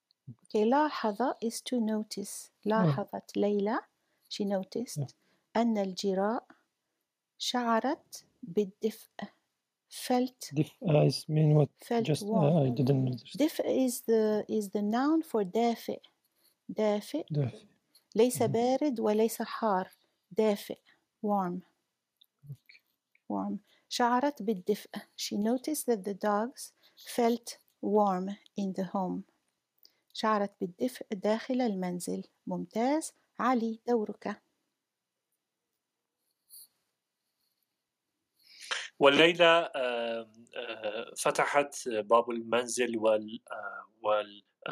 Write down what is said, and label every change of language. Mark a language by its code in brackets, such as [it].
[en] Okay, لاحظ is to notice. [ar] لاحظت ليلى [en] she noticed [ar] أن الجراء شعرت بالدفء. [en] Felt. [ar] دفء [en] is the noun for دافئ. [ar] دافئ. ليس بارد وليس حار. دافئ. [en] Warm. Okay. Warm. [ar] شعرت بالدفء. [en] She noticed that the dogs felt warm in the home. [ar] شعرت بالدفء داخل المنزل. ممتاز. علي دورك. والليلة فتحت باب المنزل والشباك.